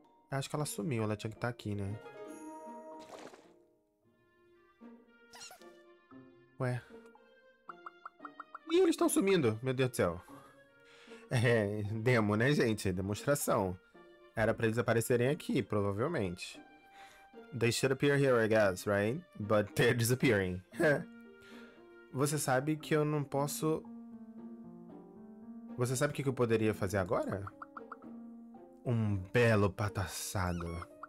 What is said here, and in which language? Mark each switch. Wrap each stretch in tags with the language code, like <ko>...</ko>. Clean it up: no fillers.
<pt>Acho que ela sumiu, ela tinha que estar aqui, né? Ué. Ih, eles estão sumindo, meu Deus do céu. É, demo, né, gente? Demonstração. Era pra eles aparecerem aqui, provavelmente.</pt> <en>They should appear here, I guess, right? But they're disappearing.</en> <pt>Você sabe que eu não posso. Você sabe o que eu poderia fazer agora? Um belo pato assado.</pt>